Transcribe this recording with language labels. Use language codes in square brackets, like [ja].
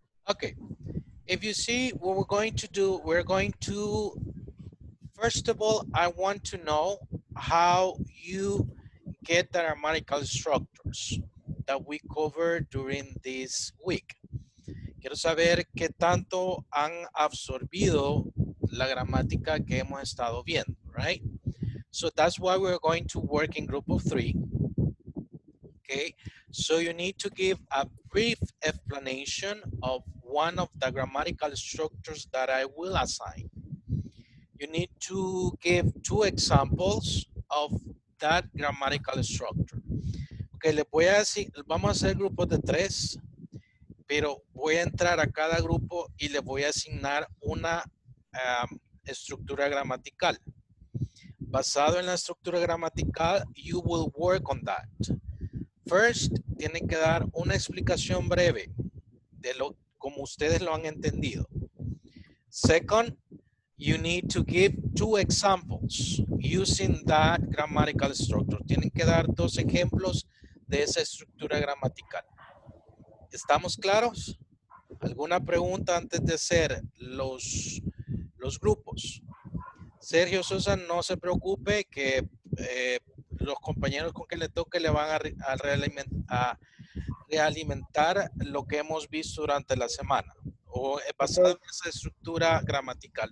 [en] Okay. If you see what we're going to do, we're going to, first of all, I want to know how you get the grammatical structures that we covered during this week. [es] Quiero saber qué tanto han absorbido la gramática que hemos estado viendo, [en] right? So that's why we're going to work in group of three. Okay, so you need to give a brief explanation of one of the grammatical structures that I will assign. You need to give two examples of that grammatical structure. [es] Okay, le voy a decir, vamos a hacer grupos de tres, pero voy a entrar a cada grupo y le voy a asignar una estructura gramatical. Basado en la estructura gramatical, [en] you will work on that. [es] First, tienen que dar una explicación breve de lo como ustedes lo han entendido. [en] Second, you need to give two examples using that grammatical structure. [es] Tienen que dar dos ejemplos de esa estructura gramatical. ¿Estamos claros? ¿Alguna pregunta antes de hacer los grupos? Sergio Sosa, no se preocupe que los compañeros con que le toque le van a realimentar lo que hemos visto durante la semana o basado en esa estructura gramatical.